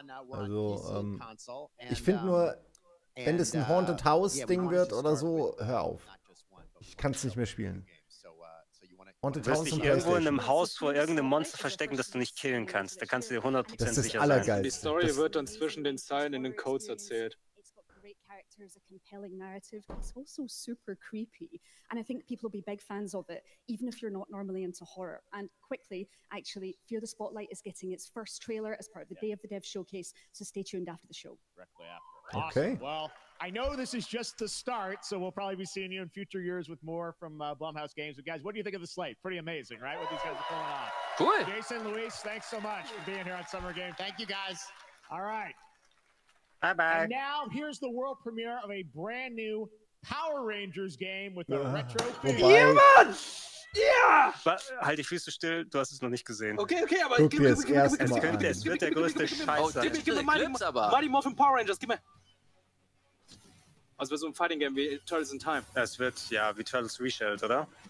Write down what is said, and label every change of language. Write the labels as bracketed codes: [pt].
[de] Also, ich finde nur, wenn das ein Haunted House Ding wird oder so, hör auf. Ich kann es nicht mehr spielen. Und du wirst dich irgendwo in einem Haus vor irgendeinem Monster verstecken, das du nicht killen kannst. Da kannst du dir 100% sicher sein. Das ist allergeilste. Die Story das wird dann zwischen den Zeilen in den Codes erzählt. [en] It's got great characters, a compelling narrative. It's also super creepy. And I think people will be big fans of it, even if you're not normally into horror. And quickly, actually, Fear the Spotlight is getting its first trailer as part of the Day of the Dev Showcase. So stay tuned after the show. Okay. Well, I know this is just the start, so we'll probably be seeing you in future years with more from Blumhouse Games. But guys, what do you think of the slate? Pretty amazing, right? What these guys are pulling off. Cool. Jason, Luis, thanks so much for being here on Summer Games. Thank you, guys. All right. Bye-bye. And now, here's the world premiere of a brand new Power Rangers game with a retro theme. Yeah, man! Yeah! [de] Halt die Füße still, du hast es noch nicht gesehen. Okay, aber guck gib mir das erste Mal an. Es wird der größte Scheiß sein. Gib mir Mighty Morphin Power Rangers, gib mir. Also wird so ein Fighting Game wie Turtles in Time. Es wird ja wie Turtles Reshelled, oder?